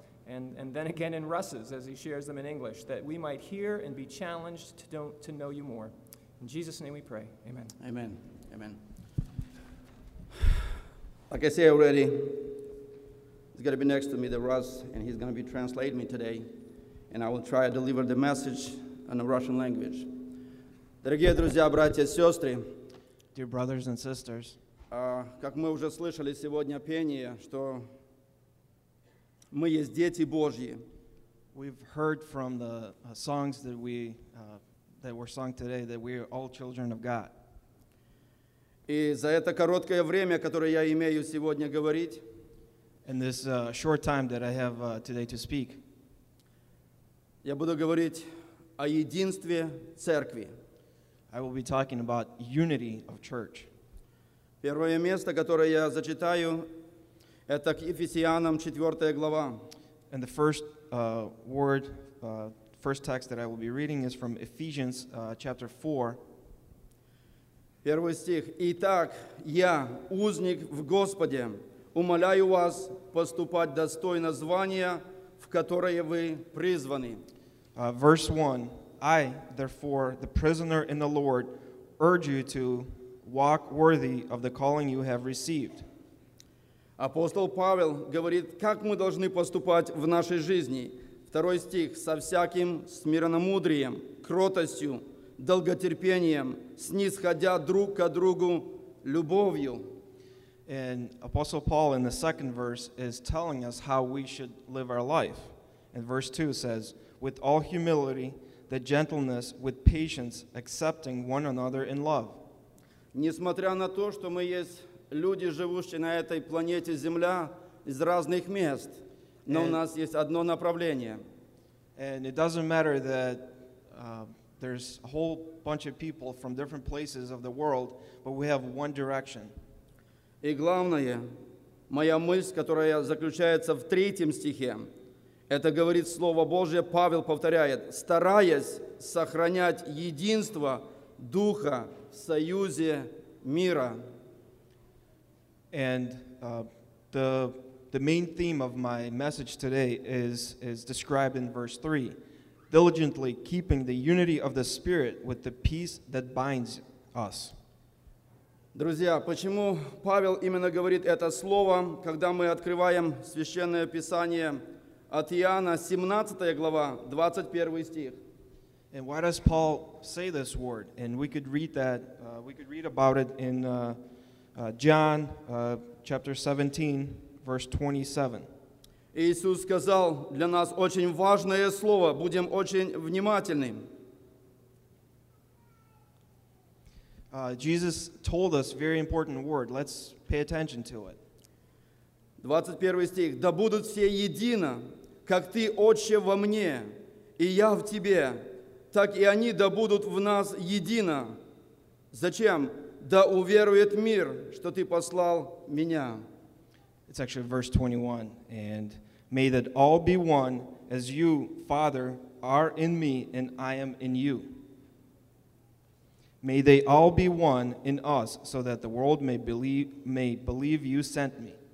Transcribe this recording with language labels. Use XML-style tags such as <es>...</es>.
<en>and then again in Russ's as he shares them in English, that we might hear and be challenged to know you more. In Jesus' name we pray, amen. Amen, amen. Like I said already, he's gonna be next to me, the Russ, and he's gonna be translating me today, and I will try to deliver the message in the Russian language.</en> <ru>Дорогие друзья, братья, сестры,</ru> <en>dear brothers and sisters,</en> <ru>как мы уже слышали сегодня пение, что мы есть дети Божьи.</ru> <en>We've heard from the songs that were sung today that we are all children of God.</en> <ru>И за это короткое время, которое я имею сегодня говорить,</ru> <en>in this short time that I have today to speak,</en> <ru>я буду говорить о единстве церкви.</ru> <en>I will be talking about unity of church.</en> <ru>Первое место, которое я зачитаю, это к Ефесянам 4 глава.</ru> <en>And the first first text that I will be reading is from Ephesians chapter 4.</en> <ru>Первый стих. Итак, я, узник в Господе, умоляю вас поступать достойно звания, в которое вы призваны.</ru> <en>Verse 1. I, therefore, the prisoner in the Lord, urge you to walk worthy of the calling you have received.</en> <ru>Апостол Павел говорит, как мы должны поступать в нашей жизни. Второй стих. Со всяким смиренномудрием, кротостью, долготерпением, снисходя друг к другу любовью.</ru> <en>And Apostle Paul in the second verse is telling us how we should live our life. And verse 2 says, with all humility, the gentleness with patience, accepting one another in love.</en> <ru>Несмотря на то, что мы есть люди, живущие на этой планете Земля из разных мест, но у нас есть одно направление.</ru> <en>And it doesn't matter that there's a whole bunch of people from different places of the world, but we have one direction.</en> <ru>И главное, моя мысль, которая заключается в третьем стихе, это говорит Слово Божие, Павел повторяет, стараясь сохранять единство Духа в союзе мира.</ru> <en>And the main theme of my message today is described in verse 3. Diligently keeping the unity of the Spirit with the peace that binds us.</en> <ru>Друзья, почему Павел именно говорит это слово, когда мы открываем Священное Писание от Иоанна, 17 глава, 21 стих.</ru> <en>And why does Paul say this word? And we could read that, we could read about it in John chapter 17, verse 27.</en> <ru>Иисус сказал, для нас очень важное слово, будем очень внимательны.</ru> <en>Jesus told us a very important word, let's pay attention to it.</en> <ru>21 стих, да будут все едино, как ты, Отче, во мне, и я в тебе, так и они да будут в нас едино. Зачем? Да уверует мир, что ты послал меня.</ru> <en>It's actually verse 21. And may that all be one, as you, Father, are in me, and I am in you. May they all be one in us, so that the world may believe you sent me.</en>